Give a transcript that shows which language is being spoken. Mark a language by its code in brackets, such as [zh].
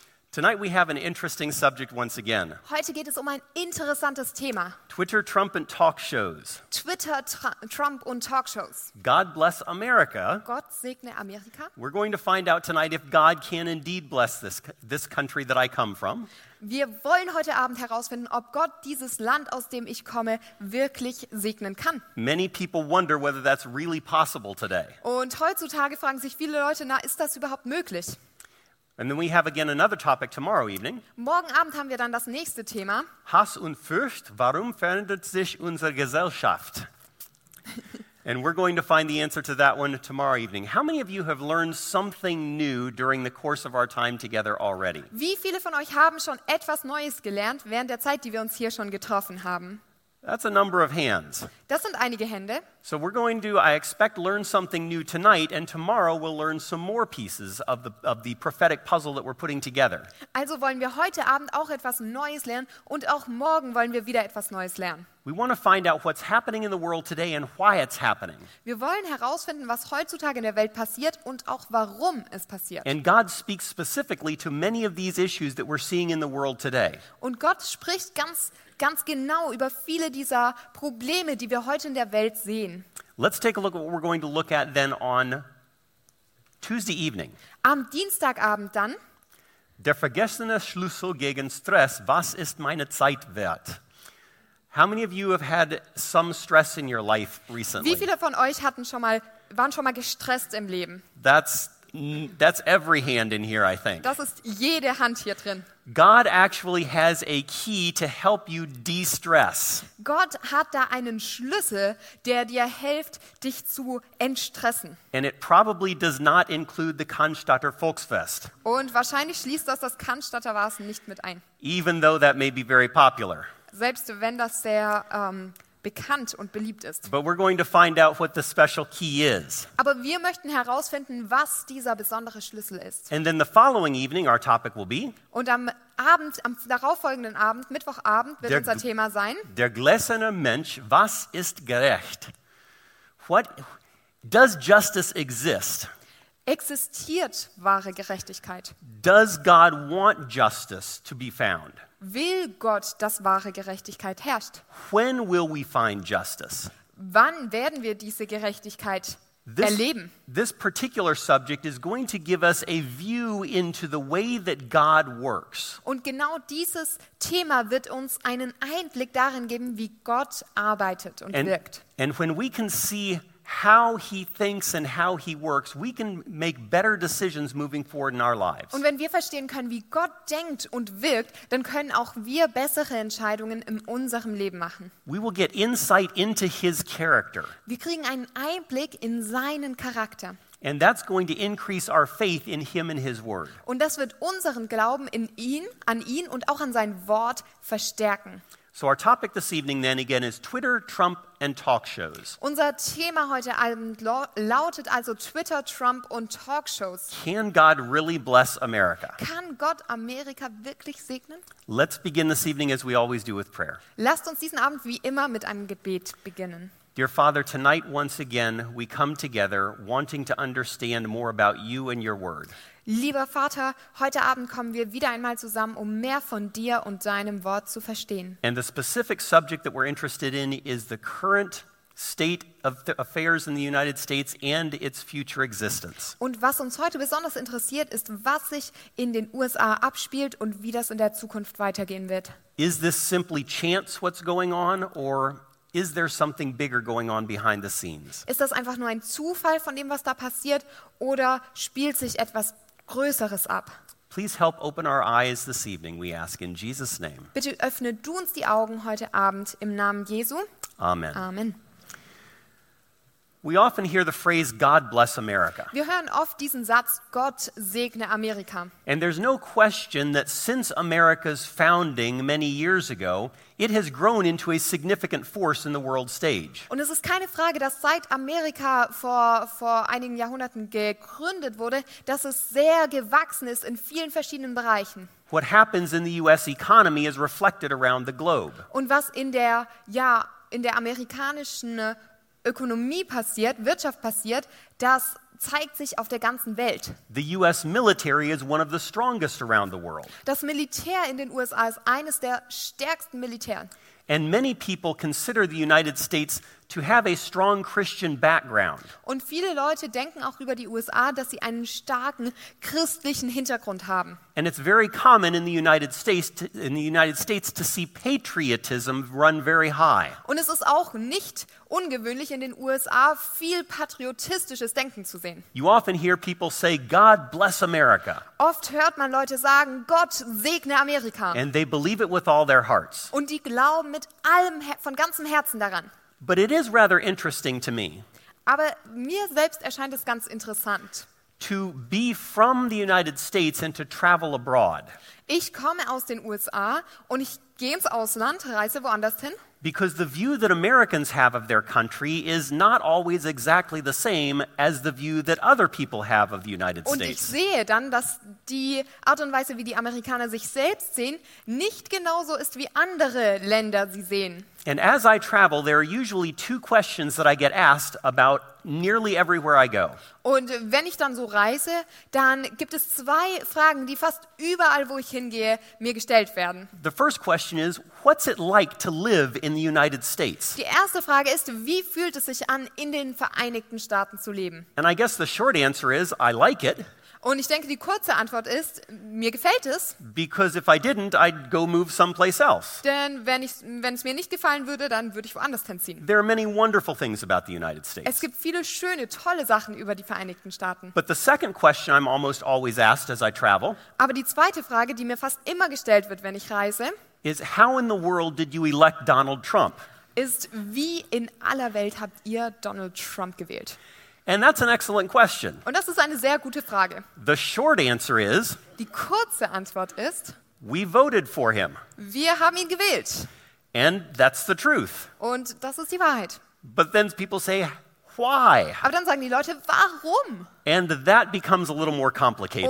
[en] Tonight we have an interesting subject once again. [de] Heute geht es um ein interessantes Thema. [en] Twitter, Trump and talk shows. [de] Twitter, Trump und talk shows. [en] God bless America. [de] Gott segne Amerika. [en] We're going to find out tonight if God can indeed bless this country that I come from. [de] Wir wollen heute Abend herausfinden, ob Gott dieses Land, aus dem ich komme, wirklich segnen kann. [en] Many people wonder whether that's really possible today. [de] Und heutzutage fragen sich viele Leute, na, ist das überhaupt möglich? [en] And then we have again another topic tomorrow evening. [de] Morgen Abend haben wir dann das nächste Thema. Hass und Furcht, warum verändert sich unsere Gesellschaft? [en] And we're going to find the answer to that one tomorrow evening. How many of you have learned something new during the course of our time together already? [de] Wie viele von euch haben schon etwas Neues gelernt während der Zeit, die wir uns hier schon getroffen haben? [en] That's a number of hands. [de] Das sind einige Hände. [en] So we're going to, I expect, learn something new tonight, and tomorrow we'll learn some more pieces of the prophetic puzzle that we're putting together. [de] Also wollen wir heute Abend auch etwas Neues lernen, und auch morgen wollen wir wieder etwas Neues lernen. [en] We want to find out what's happening in the world today and why it's happening. [de] Wir wollen herausfinden, was heutzutage in der Welt passiert und auch warum es passiert. [en] And God speaks specifically to many of these issues that we're seeing in the world today. [de] Und Gott spricht ganz genau über viele dieser Probleme, die wir heute in der Welt sehen. [en] Let's take a look at what we're going to look at then on Tuesday evening. [de] Am Dienstagabend dann. Der vergessene Schlüssel gegen Stress. Was ist meine Zeit wert? [en] How many of you have had some stress in your life recently? [de] Wie viele von euch hatten schon mal, waren schon mal gestresst im Leben? [en] That's every hand in here, I think. [de] Das ist jede Hand hier drin. [en] God actually has a key to help you de-stress. [de] Gott hat da einen Schlüssel, der dir hilft, dich zu entstressen. [en] And it probably does not include the Cannstatter Volksfest. [de] Und wahrscheinlich schließt das Cannstatter Wasen nicht mit ein. [en] Even though that may be very popular. [de] Selbst wenn das sehr bekannt und beliebt ist. [en] But we're going to find out what the special key is. [de] Aber wir möchten herausfinden, was dieser besondere Schlüssel ist. [en] And then the following evening our topic will be. [de] Und am darauffolgenden Abend, Mittwochabend, wird unser Thema sein. Der gläserne Mensch, was ist gerecht? [en] What does justice exist? [de] Existiert wahre Gerechtigkeit? [en] Does God want justice to be found? [de] Will Gott, dass wahre Gerechtigkeit herrscht? [en] When will we find justice? [de] Wann werden wir diese Gerechtigkeit erleben? [en] This particular subject is going to give us a view into the way that God works. [de] Und genau dieses Thema wird uns einen Einblick darin geben, wie Gott arbeitet und wirkt. [en] And when we can see how he thinks and how he works, we can make better decisions moving forward in our lives. [de] Und wenn wir verstehen können, wie Gott denkt und wirkt, dann können auch wir bessere Entscheidungen in unserem Leben machen. [en] We will get insight into his character. [de] Wir kriegen einen Einblick in seinen Charakter. [en] And that's going to increase our faith in him and his word. [de] Und das wird unseren Glauben in ihn, an ihn und auch an sein Wort verstärken. [en] So our topic this evening then again is Twitter, Trump and talk shows. [de] Unser Thema heute Abend lautet also Twitter, Trump und talk shows. [en] Can God really bless America? [de] Kann Gott Amerika wirklich segnen? [en] Let's begin this evening as we always do with prayer. [de] Lasst uns diesen Abend wie immer mit einem Gebet beginnen. [en] Dear Father, tonight once again we come together wanting to understand more about you and your word. [de] Lieber Vater, heute Abend kommen wir wieder einmal zusammen, um mehr von dir und deinem Wort zu verstehen. [en] And the specific subject that we're interested in is the current state of the affairs in the United States and its future existence. [de] Und was uns heute besonders interessiert, ist, was sich in den USA abspielt und wie das in der Zukunft weitergehen wird. [en] Is this simply chance what's going on, or is there something bigger going on behind the scenes? [de] Ist das einfach nur ein Zufall von dem, was da passiert, oder spielt sich etwas Größeres ab? [en] Please help open our eyes this evening, we ask in Jesus' name. [de] Bitte öffne du uns die Augen heute Abend im Namen Jesu. [en] Amen. [de] Amen. [en] We often hear the phrase God bless America. [de] Wir hören oft diesen Satz, Gott segne Amerika. [en] And there's no question that since America's founding many years ago, it has grown into a significant force in the world stage. [de] Und es ist keine Frage, dass seit Amerika vor einigen Jahrhunderten gegründet wurde, dass es sehr gewachsen ist in vielen verschiedenen Bereichen. [en] What happens in the US economy is reflected around the globe. [de] Und was in der amerikanischen Ökonomie passiert, Wirtschaft passiert, das zeigt sich auf der ganzen Welt. [en] The US military is one of the strongest around the world. [de] Das Militär in den USA ist eines der stärksten Militär. [en] And many people consider the United States to have a strong Christian background. [de] Und viele Leute denken auch über die USA, dass sie einen starken christlichen Hintergrund haben. [en] And it's very common in the United States to see patriotism run very high. [de] Und es ist auch nicht ungewöhnlich in den USA viel patriotistisches Denken zu sehen. [en] You often hear people say God bless America. [de] Oft hört man Leute sagen, Gott segne Amerika. [en] And they believe it with all their hearts. [de] Und die glauben mit allem von ganzem Herzen daran. [en] But it is rather interesting to me. [de] Aber mir selbst erscheint es ganz interessant. [en] To be from the United States and to travel abroad. [de] Ich komme aus den USA und ich gehe ins Ausland, reise woanders hin. [en] Because the view that Americans have of their country is not always exactly the same as the view that other people have of the United States. [de] Und ich sehe dann, dass die Art und Weise, wie die Amerikaner sich selbst sehen, nicht genauso ist, wie andere Länder sie sehen. [en] And as I travel, there are usually two questions that I get asked about nearly everywhere I go. [de] Und wenn ich dann so reise, dann gibt es zwei Fragen, die fast überall, wo ich hingehe, mir gestellt werden. [en] The first question is, what's it like to live in the United States? [de] Die erste Frage ist, wie fühlt es sich an, in den Vereinigten Staaten zu leben? [en] And I guess the short answer is, I like it. [de] Und ich denke, die kurze Antwort ist, mir gefällt es. [en] Because if I didn't, I'd go move someplace else. [de] Denn wenn es mir nicht gefallen würde, dann würde ich woanders hinziehen. [en] There are many wonderful things about the United States. [de] Es gibt viele schöne, tolle Sachen über die Vereinigten Staaten. [en] But the second question I'm almost always asked as I travel. [de] Aber die zweite Frage, die mir fast immer gestellt wird, wenn ich reise, [en] is how in the world did you elect Donald Trump? [de] Ist, wie in aller Welt habt ihr Donald Trump gewählt? [en] And that's an excellent question. [de] Und das ist eine sehr gute Frage. [en] The short answer is, [de] die kurze Antwort ist, [en] we voted for him. [de] Wir haben ihn gewählt. [en] And that's the truth. [de] Und das ist die Wahrheit. [en] But then people say, why? [de] Aber dann sagen die Leute, warum? [en] And that becomes a little more complicated.